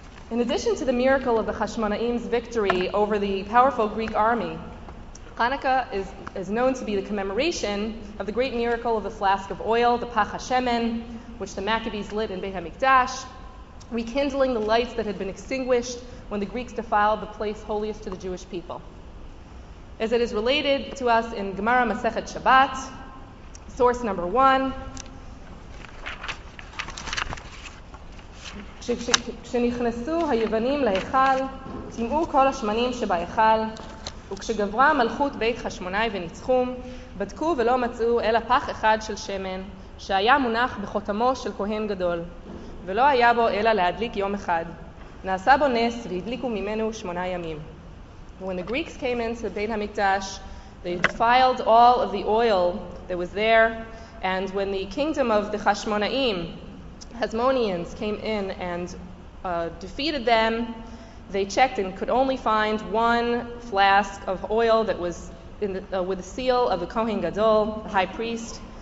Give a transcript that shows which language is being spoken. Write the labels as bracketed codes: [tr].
[en] In addition to the miracle of the Hashmonaim's victory over the powerful Greek army, Hanukkah is known to be the commemoration of the great miracle of the flask of oil, the Pach HaShemen, which the Maccabees lit in Beit HaMikdash, rekindling the lights that had been extinguished when the Greeks defiled the place holiest to the Jewish people. As it is related to us in Gemara Masechet Shabbat, source number one, [he] כשנכנסו היוונים להיכל, טימאו כל השמנים שבהיכל, וכשגברה מלכות בית חשמונאי וניצחום, בדקו ולא מצאו אלא פח אחד של שמן, שהיה מונח בחותמו של כהן גדול, ולא היה בו אלא להדליק יום אחד. נעשה בו נס והדליקו ממנו שמונה ימים. [en] When the Greeks came into the Beit HaMikdash, they defiled all of the oil that was there, and when the kingdom of the Hashmonaim, Hasmoneans came in and defeated them. They checked and could only find one flask of oil that was in the, with the seal of the Kohen Gadol, the high priest.